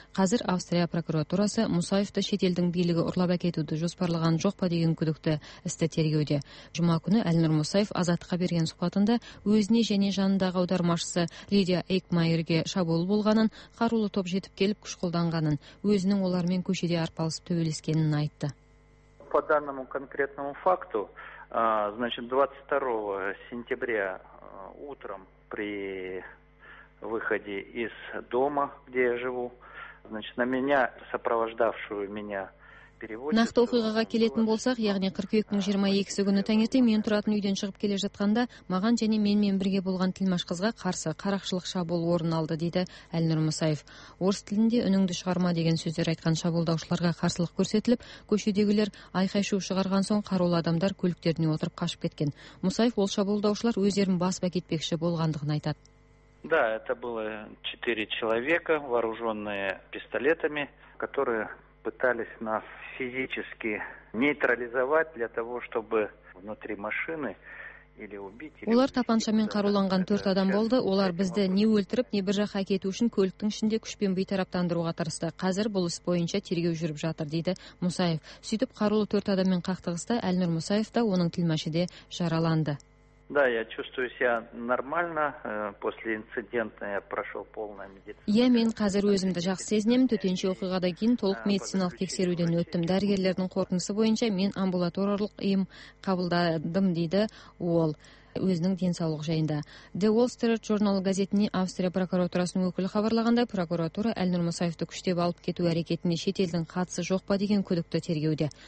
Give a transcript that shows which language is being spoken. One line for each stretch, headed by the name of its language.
Kazakh: Қазір Австрия прокуратурасы Мұсаевты шетелдің билігі ұрлап әкетуді жоспарлаған жоқ па деген күдікті істі тергеуде. Жұма күні Әлнұр Мұсаев Азаттыққа берген сұхбатында өзіне және жанындағы аудармашысы Лидия Эйкмайерге шабуыл болғанын, қарулы топ жетіп келіп күш қолданғанын, өзінің олармен көшеде арпалысып төбелескенін айтты.
Russian: По данному конкретному факту, значит, 22 сентября утром при выходе из дома, где я живу, значит, на меня, сопровождавшую меня,
Kazakh: нақты оқиғаға келетін болсақ, яғни 42-22 күні таңертең мен тұратын үйден шығып келе жатқанда, маған және менімен бірге болған тілмаш қызға қарсы қарақшылық шабуыл орын алды, дейді Әлнұр Мұсаев. Орыс тілінде үніңді шығарма деген сөздер айтқан шабуылдаушыларға қарсылық көрсетіліп, көшедегілер айқай-шу шығарған соң қарулы адамдар көліктеріне отырып қашып кеткен. Мұсаев ол шабуылдаушылар өздерін басып әкетпекші болғандығын айтады.
Russian: Да, это было 4 человека, вооружённые пистолетами, которые пытались нас физически нейтрализовать для того, чтобы внутри машины или убить.
Kazakh: Олар тапаншамен қаруланған 4 адам болды. Олар бізді не өлтіріп, не бір жаққа кету үшін көліктің ішінде күшпен бейтараптандыруға тырысты. Қазір бұл іс бойынша тергеу жүріп жатыр, дейді Мұсаев. Сөйтіп қарулы 4 адаммен қақтығыста Әлнұр Мұсаев та оның тілмашы да жараланды.
Russian: Да, я чувствую себя нормально. После инцидента я прошел полное медицинское.
Kazakh: Я мен қазір өзімді жақсы сезінемін. Төтенше оқиғадан кейін толық медициналық тексеруден өттім. Дәрігерлердің қорытындысы бойынша мен амбулаторлық ем қабылдадым, дейді ол. Өзінің денсаулық жайында. The Wall Street Journal газетіне Австрия прокуратурасының өкілі хабарлағанда, прокуратура Әлнұр Мұсаевты күштеп алып кету әрекетіне шетелдің қатысы жоқ па деген күдікті тергеуде.